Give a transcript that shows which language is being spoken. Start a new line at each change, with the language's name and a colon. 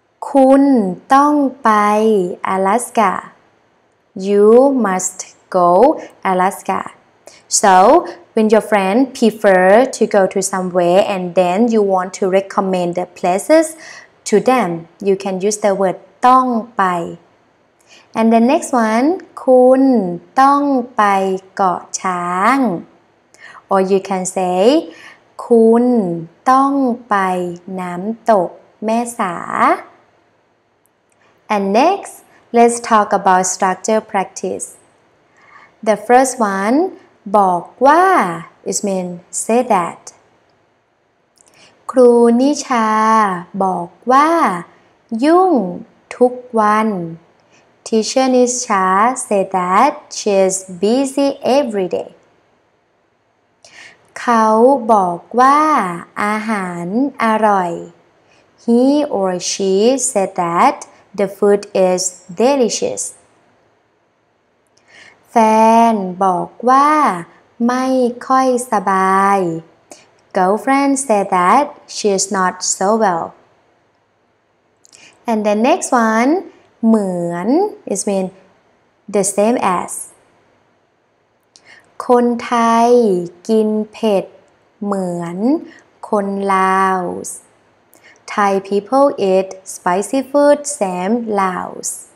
Thai: คุณต้องไป Alaska.
English: You must go Alaska. So, when your friend prefer to go to somewhere and then you want to recommend the places to them, you can use the word ต้องไป. And the next one,
Thai: คุณต้องไปเกาะช้าง.
English: Or you can say,
Thai: คุณต้องไปน้ำตกแม่สา.
English: And next, let's talk about structure practice. The first one, บอกว่า is mean say that.
Thai: ครูนิชาบอกว่ายุ่งทุกวัน
English: Teacher Nisha said that she is busy every day.
Thai: เขาบอกว่าอาหารอร่อย
English: He or she said that the food is delicious.
Thai: แฟนบอกว่าไม่ค่อยสบาย
English: Girlfriend said that she is not so well. And the next one, เหมือน is mean the same as.
Thai: คนไทยกินเผ็ดเหมือนคนลาว
English: Thai people eat spicy food same Laos.